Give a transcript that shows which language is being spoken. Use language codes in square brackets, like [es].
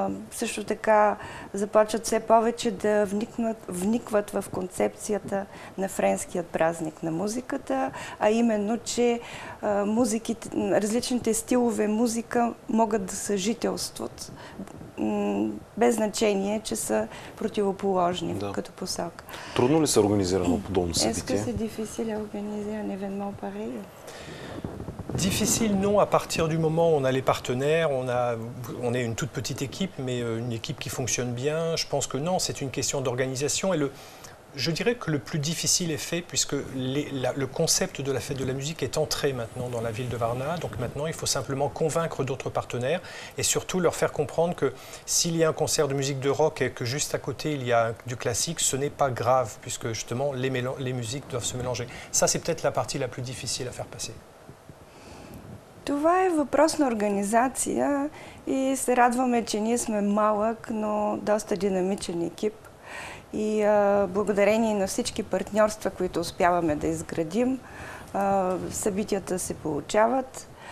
[bg] Също така започват все повече да вникват в концепцията на френският празник на музиката, а именно, че различните стилове музика могат да съжителстват, без значение, че са противоположни като посока. Трудно ли се организира на подобно събитие? [fr] Est-ce que c'est difficile d'organiser un événement pareil? Difficile, non, à partir du moment où on a les partenaires, on est une toute petite équipe, mais une équipe qui fonctionne bien. Je pense que non, c'est une question d'organisation. Et je dirais que le plus difficile est fait, puisque le concept de la fête de la musique est entré maintenant dans la ville de Varna. Donc maintenant, il faut simplement convaincre d'autres partenaires et surtout leur faire comprendre que s'il y a un concert de musique de rock et que juste à côté, il y a du classique, ce n'est pas grave, puisque justement, les musiques doivent se mélanger. Ça, c'est peut-être la partie la plus difficile à faire passer. [bg] Това е въпрос на организация и се радваме, че ние сме малък, но доста динамичен екип. И благодарение на всички партньорства, които успяваме да изградим, събитията се получават.